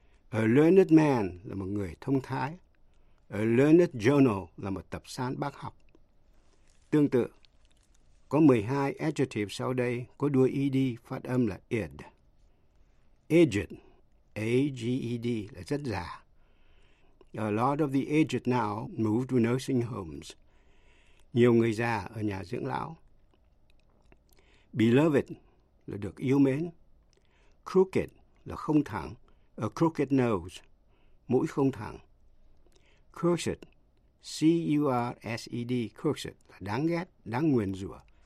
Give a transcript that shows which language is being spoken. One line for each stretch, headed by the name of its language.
English: A learned man
Vietnamese: là một người thông thái.
English: A learned journal
Vietnamese: là một tập san bác học. Tương tự, có 12 adjectives sau đây có đuôi ed phát âm là ed. Aged, A-G-E-D, là rất già.
English: A lot of the aged now move to nursing homes.
Vietnamese: Nhiều người già ở nhà dưỡng lão. Beloved, là được yêu mến. Crooked, là không thẳng.
English: A crooked nose,
Vietnamese: mũi không thẳng. Cursed, C-U-R-S-E-D, cursed, là đáng ghét, đáng nguyền rủa.